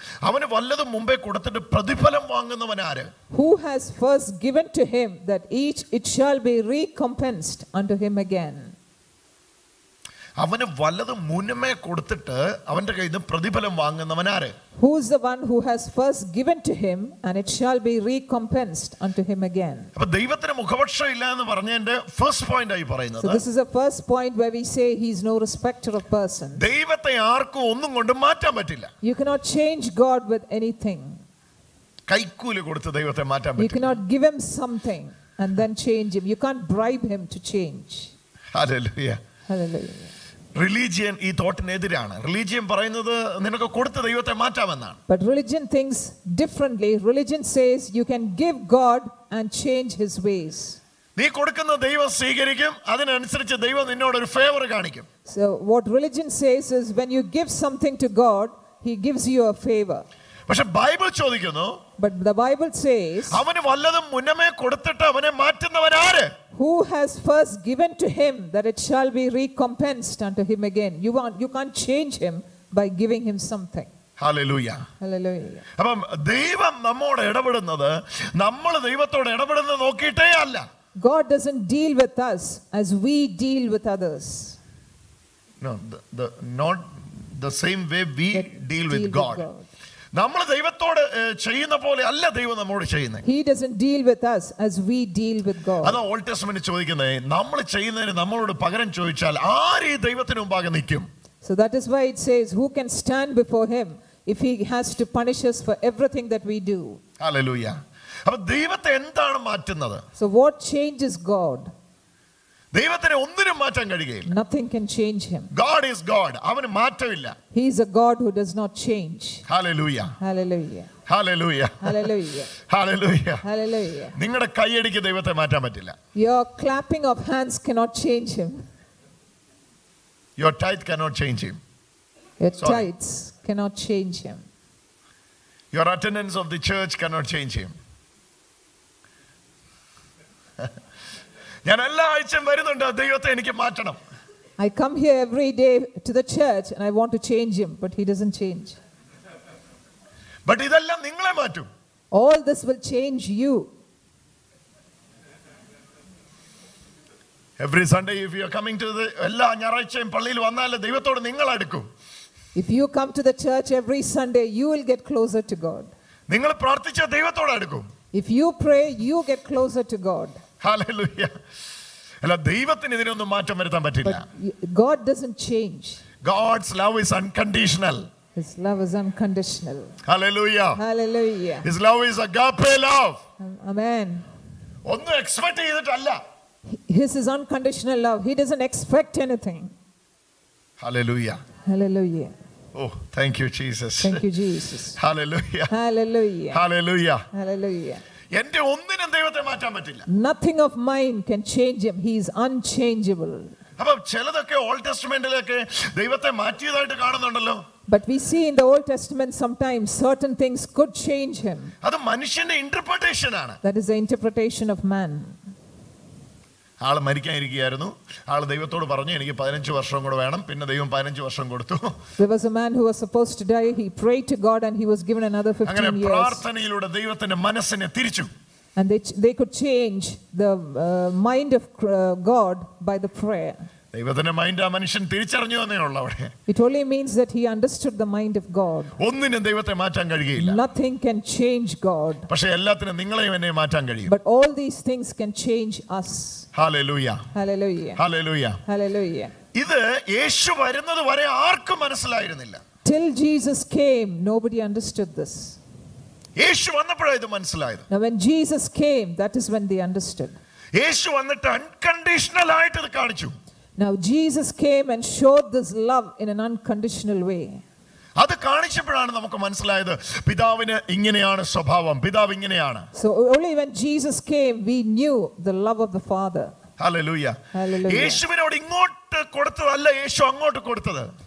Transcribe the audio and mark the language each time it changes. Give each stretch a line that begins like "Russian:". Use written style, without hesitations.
Malayalam: അവന് വല്ലതും മുമ്പേ കൊടുത്തിട്ട് പ്രതിഫലം വാങ്ങുന്നവൻ ആര്?
English: Who has first given to him that each it shall be recompensed unto him again?
Malayalam: അവന് വല്ലതും മുന്നമേ കൊടുത്തിട്ട് അവന്റെ കയ്യിൽ നിന്ന് പ്രതിഫലം വാങ്ങുന്നവൻ ആര്?
English: Who is the one who has first given to him and it shall be recompensed unto him again?
Malayalam: അപ്പോൾ ദൈവത്തിന് മുഖപക്ഷം ഇല്ല എന്ന് പറഞ്ഞതിന്റെ ഫസ്റ്റ് പോയിന്റ് ആയി പറയുന്നത്.
English: So this is the first point where we say he is no respecter of person.
Malayalam: ദൈവത്തെ ആർക്കും ഒന്നും കൊണ്ട് മാറ്റാൻ പറ്റില്ല.
English: You cannot change God with anything.
Malayalam: കൈക്കൂലി കൊടുത്ത് ദൈവത്തെ മാറ്റാൻ പറ്റില്ല.
English: You cannot give him something and then change him. You can't bribe him to change. Hallelujah. Hallelujah.
Malayalam: Religion ഈ തോട്ടിന് എതിരാണ്. റിലീജിയൻ പറയുന്നത് നിനക്ക് കൊടുത്ത ദൈവത്തെ മാറ്റാമെന്നാണ്.
English: But religion thinks differently. Religion says you can give God and change his ways.
Malayalam: നീ കൊടുക്കുന്ന ദൈവം സ്വീകരിക്കും, അതിനനുസരിച്ച് ദൈവം നിന്നോട് ഒരു ഫേവർ കാണിക്കും.
English: So what religion says is when you give something to God, he gives you a favor.
Malayalam: പക്ഷെ ബൈബിൾ ചോദിക്കുന്നു,
English: but the Bible says
Malayalam: അവന് വല്ലതും മുന്നമേ കൊടുത്തിട്ട് അവനെ മാറ്റുന്നവൻ ആര്?
English: Who has first given to him that it shall be recompensed unto him again? You can't change him by giving him something. Hallelujah. Hallelujah.
Malayalam: അപ്പോൾ ദൈവം നമ്മോട് ഇടപെടുന്നത് നമ്മൾ ദൈവത്തോട് ഇടപെടുന്നത് നോക്കിയിട്ടേ അല്ല.
English: God doesn't deal with us as we deal with others. No, not the same way we deal with God.
Malayalam: നമ്മൾ ദൈവത്തോട് ചെയ്യുന്ന പോലെ അല്ല ദൈവം നമ്മോട് ചെയ്യുന്നത്.
English: He doesn't deal with us as we deal with God.
Malayalam: അതാ ഓൾഡ് ടെസ്റ്റമെന്റ് ചോദിക്കുന്നത്, നമ്മൾ ചെയ്യുന്നതിന് നമ്മളോട് പകരം ചോദിച്ചാൽ ആര് ഈ ദൈവത്തിന് മുമ്പാകെ നിൽക്കും?
English: So that is why it says who can stand before him if he has to punish us for everything that we do.
Malayalam: Hallelujah. അപ്പോൾ ദൈവത്തെ എന്താണ് മാറ്റുന്നത്?
English: So what changes God?
Malayalam: ദൈവത്തിനെ ഒന്നിനും മാറ്റാൻ കഴിയില്ല.
English: Nothing can change him. God is God.
Malayalam: അവന് മാറ്റമില്ല.
English: He is a God who does not change. Hallelujah. Hallelujah. Hallelujah. Hallelujah. Hallelujah. Hallelujah.
Malayalam: നിങ്ങളുടെ കൈയടിക്ക് ദൈവത്തെ മാറ്റാൻ പറ്റില്ല.
English: Your clapping of hands cannot change him. Your tithe cannot change him. Your tithes cannot change him. Your attendance of the church cannot change him.
Malayalam: ഞാൻ എല്ലാ ആഴ്ചയും വരുന്നുണ്ട്, ദൈവത്തെ എനിക്ക് മാറ്റണം.
English: I come here every day to the church and I want to change him, but he doesn't change.
Malayalam: But ഇതെല്ലാം നിങ്ങളെ മാറ്റും.
English: All this will change you. Every Sunday if you are coming to the
Malayalam: എല്ലാ ഞായറാഴ്ചയും പള്ളിയിൽ വന്നാൽ ദൈവത്തോട് നിങ്ങൾ അടുക്കും.
English: If you come to the church every Sunday, you will get closer to God.
Malayalam: നിങ്ങൾ പ്രാർത്ഥിച്ച ദൈവത്തോട് അടുക്കും.
English: If you pray, you get closer to God. Hallelujah.
Malayalam: അല്ല, ദൈവത്തിന് ഇതിനൊന്നും മാറ്റം വരുത്താൻ പറ്റില്ല.
English: God doesn't change. God's love is unconditional. His love is unconditional. Hallelujah. Hallelujah. His love is agape love. Amen.
Malayalam: Onnu expect cheyidittalla.
English: His is unconditional love. He doesn't expect anything. Hallelujah. Hallelujah. Oh, thank you, Jesus. Thank you, Jesus. Hallelujah. Hallelujah. Hallelujah. Hallelujah.
Malayalam: എന്റെ ഒന്നിനും ദൈവത്തെ മാറ്റാൻ പറ്റില്ല.
English: Nothing of mine can change him. He is unchangeable.
Malayalam: അപ്പോൾ ചിലതൊക്കെ old ടെസ്റ്റമെന്റിലൊക്കെ ദൈവത്തെ മാറ്റിയതായിട്ട് കാണുന്നുണ്ടല്ലോ.
English: But we see in the Old Testament sometimes certain things could change him.
Malayalam: അത് മനുഷ്യന്റെ ഇന്റർപ്രിറ്റേഷൻ ആണ്.
English: That is the interpretation of man.
Malayalam: ആള് മരിക്കാനിരിക്കുകയായിരുന്നു. ആള് ദൈവത്തോട് പറഞ്ഞു, എനിക്ക് 15 വർഷം കൂടെ വേണം. പിന്നെ ദൈവം 15 വർഷം കൊടുത്തു.
English: There was a man who was supposed to die. He prayed to God and he was given another 15
Malayalam: അങ്ങനെ
English: years.
Malayalam: അങ്ങനെ പ്രാർത്ഥനയിലൂടെ ദൈവത്തിന്റെ മനസ്സിനെ തിരിച്ചു.
English: And they could change the mind of God by the prayer.
Malayalam: ദൈവത്തിന്റെ മൈൻഡ് ആ മനുഷ്യൻ തിരിച്ചറിഞ്ഞു എന്നേ ഉള്ളൂ അവിടെ.
English: It only means that he understood the mind of God.
Malayalam: ഒന്നിനും ദൈവത്തെ മാറ്റാൻ കഴിയില്ല.
English: Nothing can change God.
Malayalam: പക്ഷേ എല്ലാത്തിനും നിങ്ങളെയും എന്നെയും മാറ്റാൻ കഴിയും.
English: But all these things can change us. Hallelujah. Hallelujah. Hallelujah. Hallelujah.
Malayalam: ഇത് യേശു വരുന്നത് വരെ ആർക്കും മനസ്സിലായിരുന്നില്ല.
English: Till Jesus came, nobody understood this.
Malayalam: യേശു വന്നപ്പോഴാണ് ഇത് മനസ്സിലായത്.
English: Now when Jesus came, that is when they understood.
Malayalam: യേശു വന്നിട്ട് അൺകണ്ടീഷണൽ ആയിട്ട് ഇത് കാണിച്ചു.
English: Now Jesus came and showed this love in an unconditional way.
Malayalam: അത് കാണിച്ചപ്പോഴാണ് നമുക്ക് മനസ്സിലായത് പിതാവിനെ ഇങ്ങനെയാണ് സ്വഭാവം, പിതാവ് ഇങ്ങനെയാണ്.
English: So only when Jesus came we knew the love of the Father. Hallelujah. Hallelujah.
Malayalam: യേശുവിനോട് ഇങ്ങോട്ട് കൊടുത്തതല്ല യേശു അങ്ങോട്ട് കൊടുത്തത്.